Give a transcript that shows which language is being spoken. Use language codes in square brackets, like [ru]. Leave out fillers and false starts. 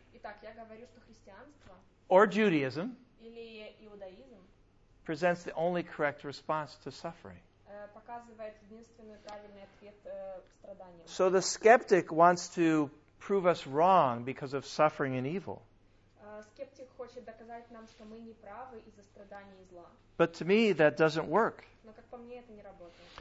[ru] итак, я говорю, что христианство, [en] or Judaism, [ru] или иудаизм, [en] presents the only correct response to suffering. [ru] Показывает единственный правильный ответ, страданиям. [en] So the skeptic wants to prove us wrong because of suffering and evil. [ru] Скептик хочет доказать нам, что мы не правы из-за страданий и зла. [en] But to me, that doesn't work. [ru] Но как по мне, это не работает.